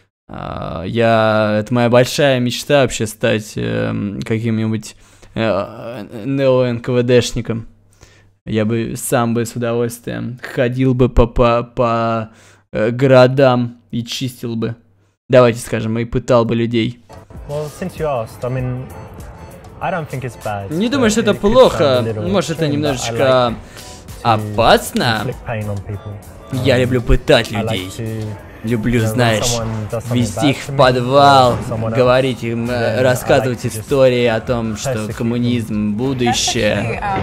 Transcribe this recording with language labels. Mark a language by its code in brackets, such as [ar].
[ru] Я, это моя большая мечта вообще стать каким-нибудь нео-НКВДшником. Я бы сам бы с удовольствием ходил бы по городам и чистил бы. Давайте скажем, и пытал бы людей. [en] Well, since you asked, I mean, I don't think it's bad. [ru] Не думаю, что это плохо. Может, это немножечко опасно? Я люблю пытать людей. Люблю, знаешь, вести их в подвал, говорить им, рассказывать истории о том, что коммунизм — будущее.